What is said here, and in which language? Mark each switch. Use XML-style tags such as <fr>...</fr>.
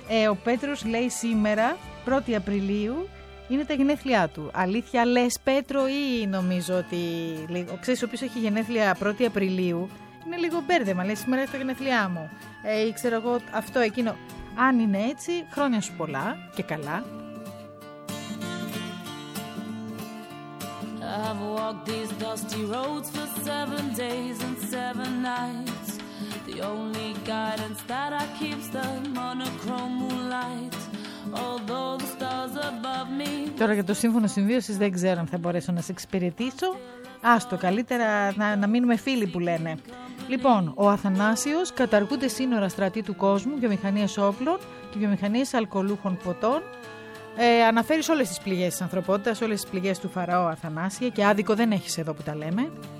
<el>Ο Πέτρος λέει σήμερα, 1η Απριλίου, είναι τα γενέθλιά του. Αλήθεια λες, Πέτρο, ή νομίζω ότι... Ξέρεις, ο οποίος έχει γενέθλια 1η Απριλίου, είναι λίγο μπέρδεμα. Λέει, σήμερα έχει τα γενέθλιά μου. Ξέρω εγώ, αυτό, εκείνο. Αν είναι έτσι, χρόνια σου πολλά και καλά.</el> <en>I've walked these dusty roads for 7 days and 7 nights. The only guidance that I keep's the monochrome moonlight. Although the stars above me.</en> <el>Τώρα για το σύμφωνο συμβίωσης δεν ξέρω αν θα μπορέσω να σε εξυπηρετήσω. Άστο, καλύτερα να μείνουμε φίλοι που λένε. Λοιπόν, ο Αθανάσιος καταργούνται σύνορα στρατή του κόσμου, βιομηχανίες όπλων και βιομηχανίες αλκοολούχων ποτών. Αναφέρεις όλες τις πληγές της ανθρωπότητας, όλες τις πληγές του Φαραώ Αθανάσια, και άδικο δεν έχεις εδώ που τα λέμε.</el>